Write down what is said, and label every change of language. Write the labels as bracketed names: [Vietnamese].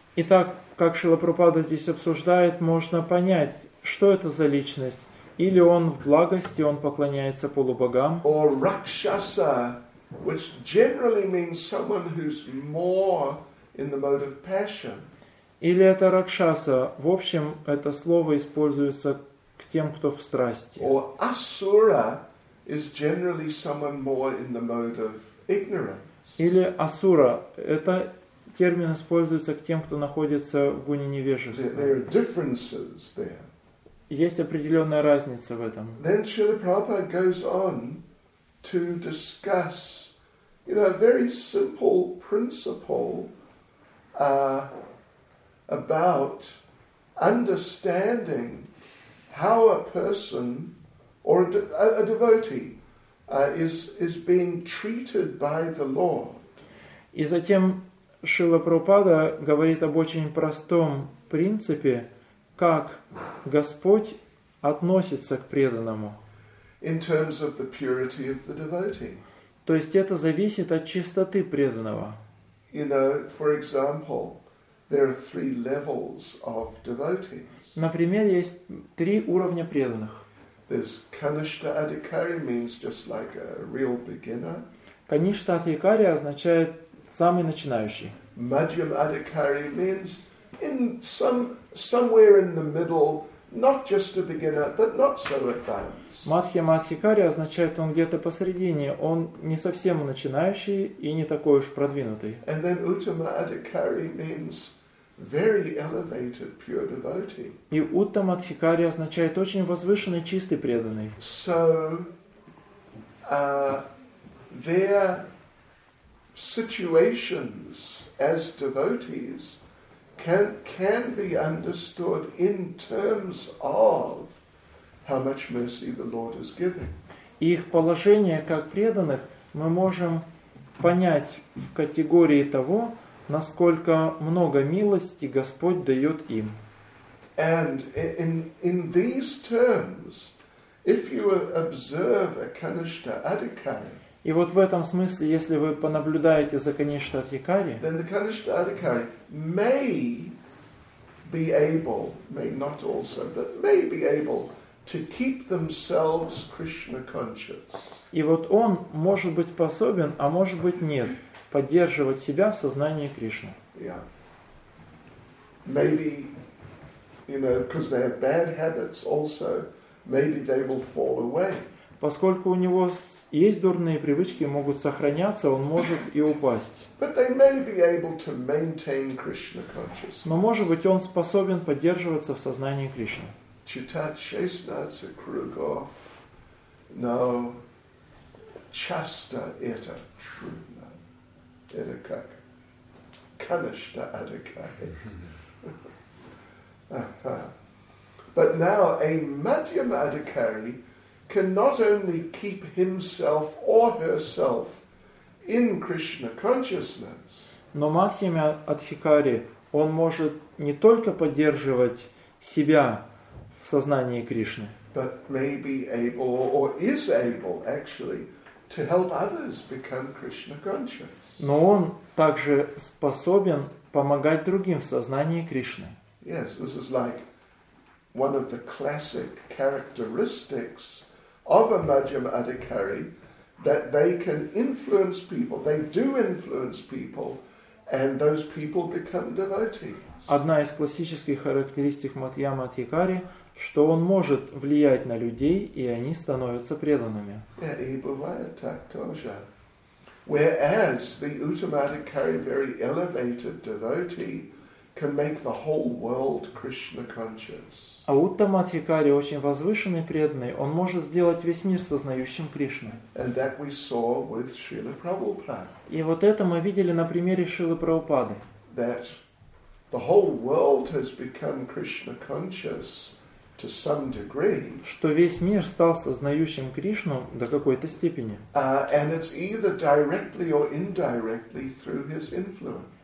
[Russian] Итак, как Шрила Прабхупада здесь обсуждает, можно понять, что это за личность. Или он в благости, он поклоняется полубогам. [English] Or rakshasa, which generally means someone who's more in the mode of passion. [Russian] Или это ракшаса. В общем, это слово используется к тем, кто в страсти. [English] Or asura is generally someone more in the mode of ignorance. [Russian] Или асура. Это термин используется к тем, кто находится в гуне невежества. [English] There are differences there. [Russian] Есть определенная разница в этом. [English] Then Srila Prabhupada goes on to discuss, you know, a very simple principle about understanding how a person or a devotee is being treated by the Lord. [Russian] И затем Шрила Прабхупада говорит об очень простом принципе, как Господь относится к преданному. [English] In terms of the purity of the devotee. [Russian] То есть это зависит от чистоты преданного. [English] You know, for example, there are three levels of devotees. [Russian] Например, есть три уровня преданных. [English] There's Kanishta Adhikari, means just like a real beginner. [Russian] Kanishta Adhikari означает самый начинающий. [English] Madhyam Adhikari means in somewhere in the middle, not just a beginner, but not so advanced. [Russian] Мадхья Мадхикари означает, он где-то посередине, он не совсем начинающий и не такой уж продвинутый. [English] And then Uttama Adhikari means very elevated pure devotee. [Russian] И Uttama Adhikari означает очень возвышенный, чистый, преданный. [English] So their situations as devotees can be understood in terms of how much mercy the Lord is giving. [Russian] Их положение как преданных мы можем понять в категории того, насколько много милости Господь дает им. [English] And in these terms, if you observe a Kanishta Adhikari, [Russian] и вот в этом смысле, если вы понаблюдаете за Kanishta Adhikari, [English] then the Kanishta Adhikari may be able, may not also, but may be able to keep themselves Krishna conscious. [Russian] И вот он может быть способен, а может быть нет, поддерживать себя в сознании Кришны. [English] Yeah. Maybe, you know, because they have bad habits also, maybe they will fall away. [Russian] Поскольку у него есть дурные привычки, могут сохраняться, он может и упасть. [English] But they may be able to maintain Krishna consciousness. [Russian] Но может быть он способен поддерживаться в сознании Кришны. Читать 16 кругов, но часто это трудно. Это как Kanishta Adhikari. [English] But now a Madhyama Adhikari can not only keep himself or herself in Krishna consciousness. [Russian] Но Мадхьяма Адхикари, он может не только поддерживать себя в сознании Кришны, [English] but may be able, or is able actually, to help others become Krishna conscious. [Russian] Но он также способен помогать другим в сознании Кришны. [English] Yes, this is like one of the classic characteristics of a Madhyama Adhikari, that they can influence people, they do influence people, and those people become devotees. [Russian] Одна из классических характеристик Мадхьяма Адхикари, что он может влиять на людей, и они становятся преданными. Yeah, и бывает так тоже. [English] Whereas the Uttama Adhikari, very elevated devotee, can make the whole world Krishna conscious. [Russian] А Уттама Адхикари, очень возвышенный преданный, он может сделать весь мир сознающим Кришну. [English] And that we saw with Srila Prabhupada. [Russian] И вот это мы видели на примере Шрилы Прабхупады. [English] That the whole world has become Krishna conscious to some degree, [Russian] что весь мир стал сознающим Кришну до какой-то степени. [English] And it's either directly or indirectly through his influence.